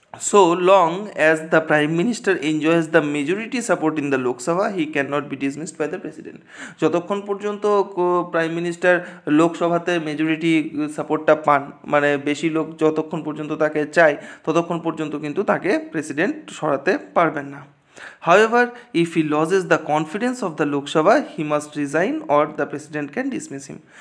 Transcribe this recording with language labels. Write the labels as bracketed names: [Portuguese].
[English] So long as the Prime Minister enjoys the majority support in the Lok Sabha, he cannot be dismissed by the President. [Bangla] যতক্ষণ পর্যন্ত prime minister লোকসভাতে majority সাপোর্টটা পান, মানে বেশি লোক যতক্ষণ পর্যন্ত তাকে চায়, ততক্ষণ পর্যন্ত কিন্তু তাকে প্রেসিডেন্ট সরাতে পারবেন না। [English] However, if he loses the confidence of the Lok Sabha, he must resign or the president can dismiss him.